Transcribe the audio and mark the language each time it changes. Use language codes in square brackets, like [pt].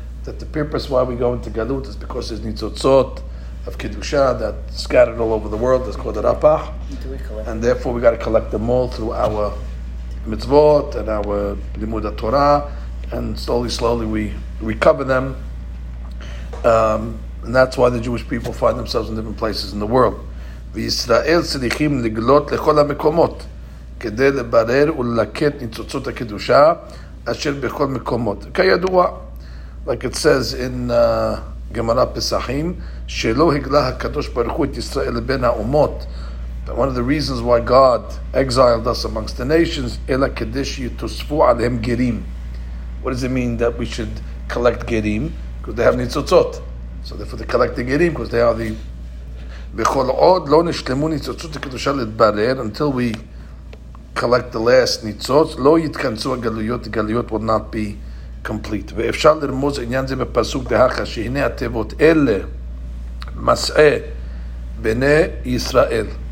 [en] That the purpose why we go into galut is because there's nitzotzot of kedusha that scattered all over the world. It's called the rapach, and therefore we got to collect them all through our mitzvot and our limud haTorah, and slowly we recover them. And that's why the Jewish people find themselves in different places in the world. [he] וישראל צריכים לגלות לכל המקומות כדי לברר וללקט ניצוצות הקדושה אשר בכל מקומות. כידוע, [en] like it says in Gemara Pesachim, [he] שלא הגלה הקדוש ברוך הוא את ישראל לבין האומות. [en] But one of the reasons why God exiled us amongst the nations, [he] אלא כדי שיתוספו עליהם גרים. [en] What does it mean that we should collect גרים? Because they have ניצוצות. So therefore they collect the גרים because they are the... [he] בכל עוד לא נשלמו ניצוצות הקדושה להתברר, [en] until we collect the last ניצוץ, [he] לא יתכנסו הגלויות, הגלויות [en] will not be complete. [he] ואפשר לרמוז עניין זה בפסוק דהכה, שהנה התיבות אלה, מסעי בני ישראל.